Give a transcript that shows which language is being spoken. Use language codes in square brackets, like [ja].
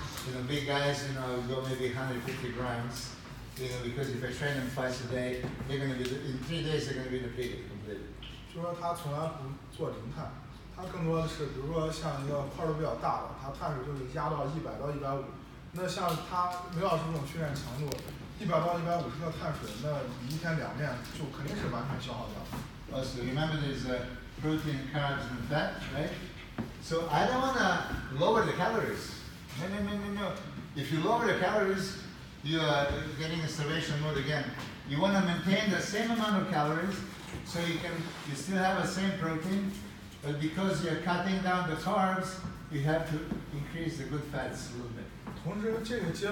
[en] You know, big guys, you know, go maybe 150 grams. You know, because if I train them twice a day, they're gonna be in 3 days they're gonna be depleted completely. [zh] 就是说他从来不做零碳，他更多的是，比如说像一个块儿比较大的，他碳水就是压到100到150。那像他没有这种训练强度，100到150克碳水，那一天两面就肯定是完全消耗掉。So [en] remember there's a protein, carbs, and fat, right? So I don't wanna lower the calories. No. If you lower the calories, you are getting a starvation mode again. You want to maintain the same amount of calories, so you still have the same protein, but because you're cutting down the carbs, you have to increase the good fats a little bit.